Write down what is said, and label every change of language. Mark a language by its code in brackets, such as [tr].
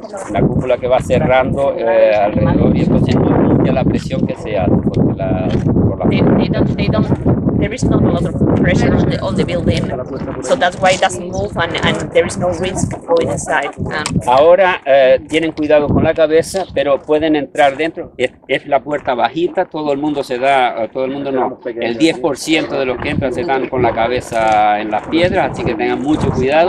[es] La cúpula que va cerrando alrededor y entonces no cambia la presión que se hace por la. [en] They don't. There is not a lot of pressure on the building, so that's why it doesn't move and there is no risk going inside. [es] Ahora tienen cuidado con la cabeza, pero pueden entrar dentro. Es la puerta bajita, todo el mundo no. El 10% de los que entran se dan con la cabeza en las piedras, así que tengan mucho cuidado.